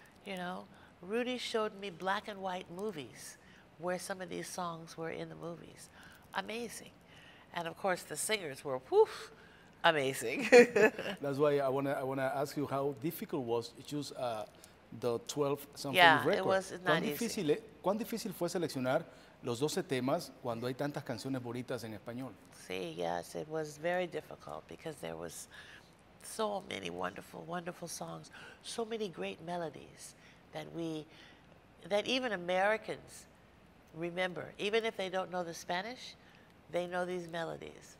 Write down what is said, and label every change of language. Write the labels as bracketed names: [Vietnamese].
[English] You know, Rudy showed me black and white movies where some of these songs were in the movies. Amazing. And of course the singers were poof, amazing. That's why I wanna ask you how difficult was to choose the 12 something yeah, record. Yeah, it was not easy. [Spanish] ¿Cuán difícil fue seleccionar los 12 temas cuando hay tantas canciones bonitas en español? [English] Sí, yes, it was very difficult because there was so many wonderful, wonderful songs, so many great melodies that even Americans remember. Even if they don't know the Spanish, they know these melodies.